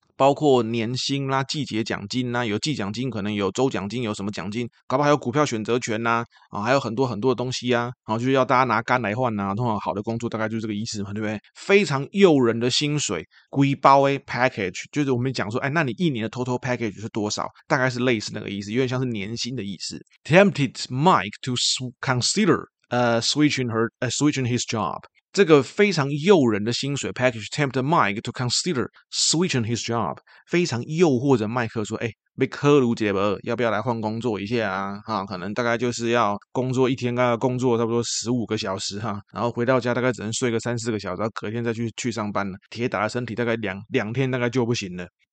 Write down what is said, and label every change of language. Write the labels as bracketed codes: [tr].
[zh] 包括年薪啦、季节奖金啦，有季奖金，可能有周奖金，有什么奖金，搞不好还有股票选择权啦，啊，还有很多很多的东西啊，然后就是要大家拿肝来换啊，通常好的工作大概就是这个意思嘛，对不对？非常诱人的薪水，规包诶 package， 就是我们讲说，哎，那你一年的 [en] total package [zh] 是多少？大概是类似那个意思，有点像是年薪的意思。 [en] Tempted Mike to consider switching his job. [zh] 这个非常诱人的薪水 [en] package tempted Mike to consider switching his job， [zh] 非常诱惑着麦克说，哎，被科鲁杰伯要不要来换工作一下啊，啊，可能大概就是要工作一天，大概工作差不多15个小时啊，然后回到家大概只能睡个三四个小时，然后隔天再去上班了，铁打的身体大概两天大概就不行了。